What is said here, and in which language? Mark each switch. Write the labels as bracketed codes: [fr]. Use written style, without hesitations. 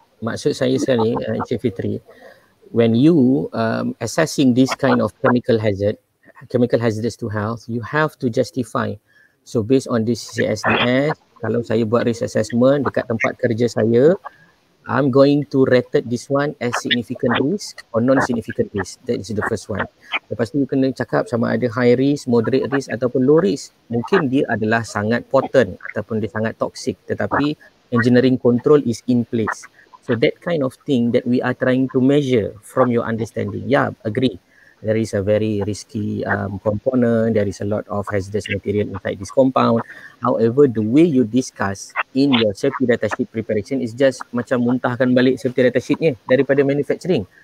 [ms] Maksud saya sekali, [en] Encik Fitri, when you assessing this kind of chemical hazards to health, you have to justify. So based on this CSDS, [ms] kalau saya buat [en] risk assessment [ms] dekat tempat kerja saya, [en] I'm going to rate this one as significant risk or non-significant risk. That is the first one. [ms] Lepas tu, [en] you [ms] kena cakap sama ada [en] high risk, moderate risk ataupun low risk. [ms] Mungkin dia adalah sangat potent ataupun dia sangat toxic. [en] Tetapi engineering control is in place. So that kind of thing that we are trying to measure from your understanding. Yeah, agree. There is a very risky component. There is a lot of hazardous material inside this compound. However, the way you discuss in your safety data sheet preparation is just [ms] macam muntahkan balik [en] safety data sheetnya daripada manufacturing.